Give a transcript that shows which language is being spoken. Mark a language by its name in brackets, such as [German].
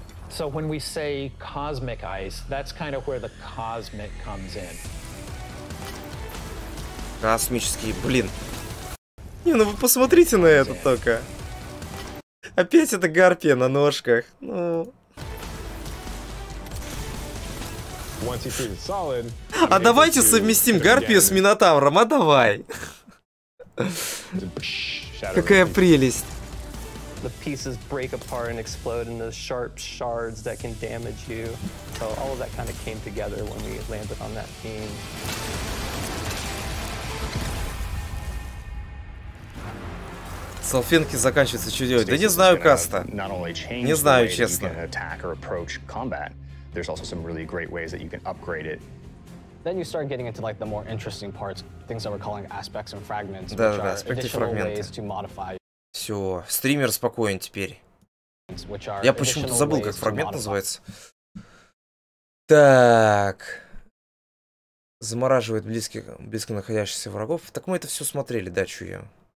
[English] So when we say cosmic ice, that's kind of where the cosmic comes in. [Russian] Космический, блин. Не, ну вы посмотрите на это только. Опять это гарпия на ножках. Ну. [English] Once you freeze solid. [Russian] А давайте совместим гарпию с минотавром, а давай. Какая прелесть. [English] The pieces break apart and explode into sharp shards that can damage you. So all of that kind of came together when we landed on that theme. [Russian] Салфинки заканчиваются, что делать? Да не знаю, Каста. Не знаю, честно. [English] You can attack or approach combat. There's also some really great ways that you can upgrade it. Then you start getting into like the more interesting parts, things that we're calling aspects and fragments, [Russian] да, [English] which [Russian] да, [English] are additional [Russian] фрагменты. [English] Ways to modify. [Russian] Все, стример спокоен теперь. Я почему-то забыл, как фрагмент называется. Так. Замораживает близких, близко находящихся врагов. Так мы это все смотрели, да, чую.